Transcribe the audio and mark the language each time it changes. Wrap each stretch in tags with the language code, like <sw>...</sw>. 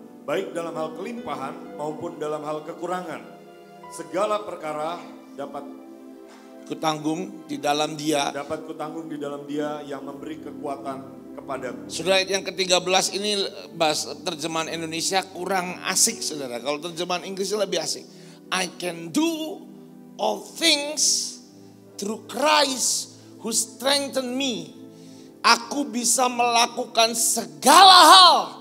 <id>Baik dalam hal kelimpahan maupun dalam hal kekurangan. Segala perkara dapat kutanggung di dalam Dia. Dapat kutanggung di dalam Dia yang memberi kekuatan kepadaku. Sudah ayat yang ke-13 ini terjemahan Indonesia kurang asik, saudara. Kalau terjemahan Inggrisnya lebih asik.</id> <en>I can do all things through Christ who strengthen me.</en> <id>Aku bisa melakukan segala hal.</id>